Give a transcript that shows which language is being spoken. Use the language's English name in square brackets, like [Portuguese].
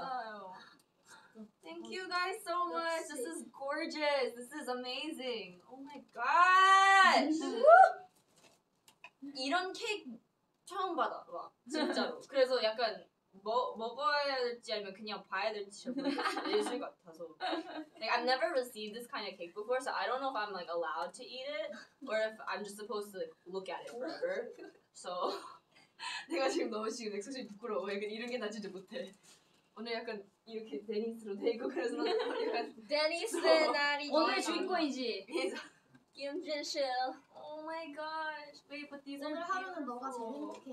[Korean] 맞아요. [English] Thank you guys so much. [Korean] 역시. [English] This is gorgeous. This is amazing. Oh my gosh. [Korean] 이런 케이크 처음 받아. 와, 진짜로. 그래서 약간 먹어야 될지 아니면 그냥 봐야 될지 예술 같아서. [English] Like I've never received this kind of cake before, so I don't know if I'm like allowed to eat it or if I'm just supposed to like look at it forever. So [Korean] 내가 지금 너무 지금 액세서리 부끄러워. 약간 이런 게 나 진짜 못해. 오늘 약간 이렇게 데니스로 데리고 그래서 약간 데니스 나리 오늘 주인공이지. 김진실. [English] Oh my gosh, babe! But these are beautiful.